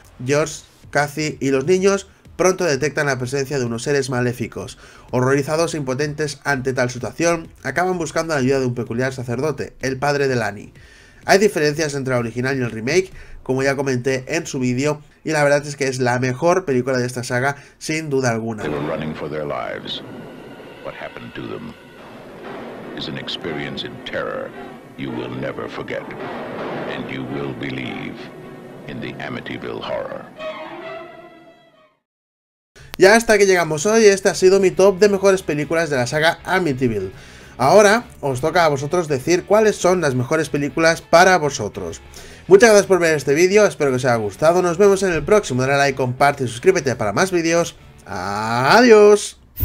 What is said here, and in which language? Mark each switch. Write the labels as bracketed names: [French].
[Spanish] George, Kathy y los niños pronto detectan la presencia de unos seres maléficos. Horrorizados e impotentes ante tal situación, acaban buscando la ayuda de un peculiar sacerdote, el padre de Lani. Hay diferencias entre la original y el remake, como ya comenté en su vídeo, y la verdad es que es la mejor película de esta saga, sin duda alguna. [English] They were running for their lives. What happened to them is an experience in terror you will never forget. And you will believe in the Amityville horror. [Spanish] Ya hasta que llegamos hoy, este ha sido mi top de mejores películas de la saga Amityville. Ahora os toca a vosotros decir cuáles son las mejores películas para vosotros. Muchas gracias por ver este vídeo, espero que os haya gustado. Nos vemos en el próximo. Dale like, comparte y suscríbete para más vídeos. ¡Adiós!